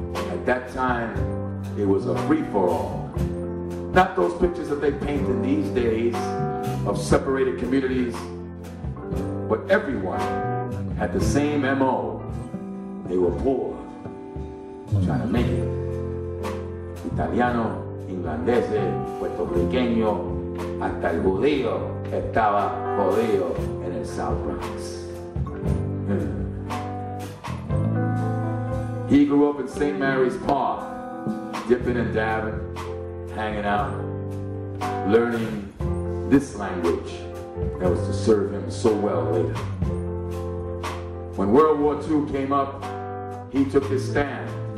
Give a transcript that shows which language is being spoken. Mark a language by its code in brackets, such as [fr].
[en] At that time, it was a free-for-all. Not those pictures that they paint in these days of separated communities, but everyone had the same MO. They were poor, trying to make it. [es] Italiano, Inglese, Puerto Riqueño, hasta el judío estaba jodido [en] in the South Bronx. He grew up in St. Mary's Park, dipping and dabbing, hanging out, learning this language that was to serve him so well later. When World War II came up, he took his stand.